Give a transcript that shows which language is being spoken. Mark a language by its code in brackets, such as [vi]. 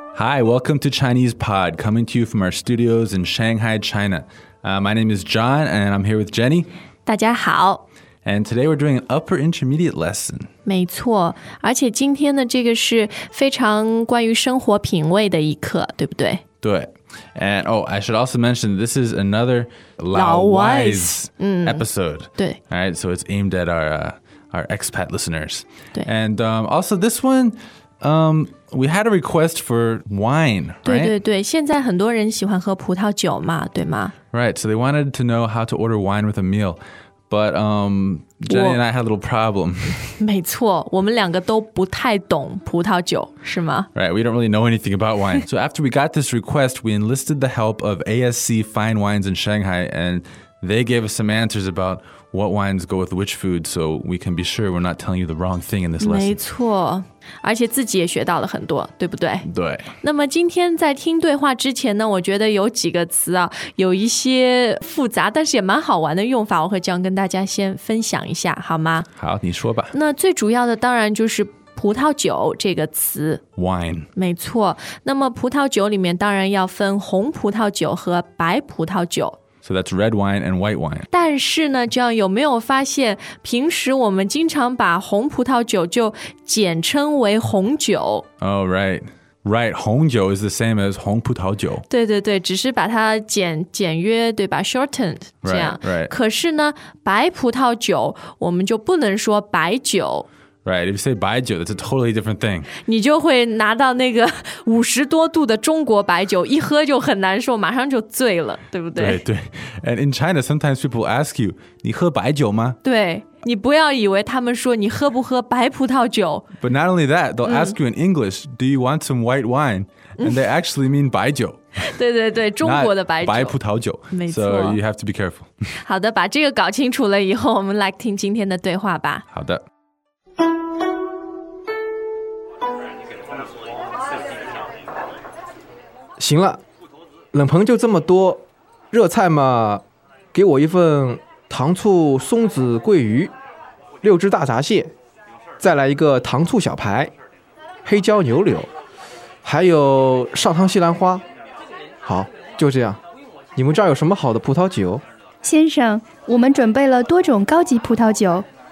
[en] Hi, welcome to Chinese Pod, coming to you from our studios in Shanghai, China. My name is John, and I'm here with Jenny. [zh] 大家好. [en] And today we're doing an upper intermediate lesson. [zh] 没错, 而且今天的这个是非常关于生活品味的一课, 对不对? 对. [en] And oh, I should also mention this is another Lao Wise episode. [zh] 对. [en] All right, so it's aimed at our expat listeners. And also this one, we had a request for wine, right? [zh] 对对对, 现在很多人喜欢喝葡萄酒嘛, 对吗? [en] Right, so they wanted to know how to order wine with a meal. But Jenny and I had a little problem. [zh] 没错, 我们两个都不太懂葡萄酒, 是吗? [en] Right, we don't really know anything about wine. So after we got this request, we enlisted the help of ASC Fine Wines in Shanghai, and they gave us some answers about what wines go with which food, so we can be sure we're not telling you the wrong thing in this lesson. [zh] 没错。而且自己也学到了很多,对不对? 对。那么今天在听对话之前呢, 我觉得有几个词啊, 有一些复杂,但是也蛮好玩的用法, 我和John跟大家先分享一下,好吗? 好,你说吧。那最主要的当然就是葡萄酒这个词。 [en] Wine. [zh] 没错。那么葡萄酒里面当然要分红葡萄酒和白葡萄酒。 [en] So that's red wine and white wine. [zh] 但是呢, John, 有没有发现, 平时我们经常把红葡萄酒就简称为红酒。 [en] Oh, right. Right, 红酒 is the same as 红葡萄酒。 [zh] 对对对, 只是把它简约, 对吧, shortened, 这样。 [en] Right, right. [zh] 可是呢, 白葡萄酒, 我们就不能说白酒。 [en] Right, if you say 白酒, that's a totally different thing. [zh] 你就会拿到那个50多度的中国白酒, 一喝就很难受, 马上就醉了,对不对? 对,对。 [en] And in China, sometimes people ask you, [zh] 你喝白酒吗? 对, 你不要以为他们说你喝不喝白葡萄酒。 [en] But not only that, they'll ask you in English, do you want some white wine? And they actually mean 白酒。 [zh] 对对对,中国的白酒。白葡萄酒, 没错。 [en] So you have to be careful. [zh] 好的, 把这个搞清楚了以后, 我们来听今天的对话吧。好的。行了，冷棚就这么多，热菜嘛，给我一份糖醋松子桂鱼，6只大闸蟹，再来一个糖醋小排，黑椒牛柳，还有上汤西兰花。好，就这样。你们这儿有什么好的葡萄酒？先生，我们准备了多种高级葡萄酒。